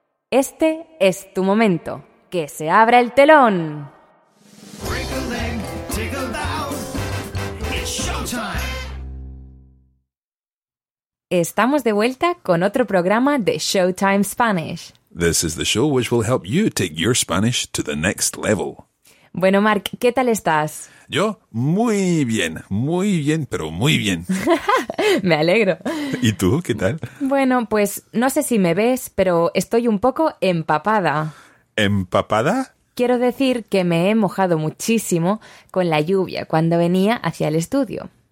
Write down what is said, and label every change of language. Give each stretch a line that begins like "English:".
Spanish: Este es tu momento. ¡Que se abra el telón! Estamos de vuelta con otro programa de Showtime Spanish.
English: This is the show which will help you take your Spanish to the next level.
Spanish: Bueno, Mark, ¿qué tal estás? Yo, muy bien, pero muy bien. Me alegro. ¿Y tú, qué tal? Bueno, pues no sé si me ves, pero estoy un poco empapada. ¿Empapada? Quiero decir que me he mojado muchísimo con la lluvia cuando venía hacia el estudio.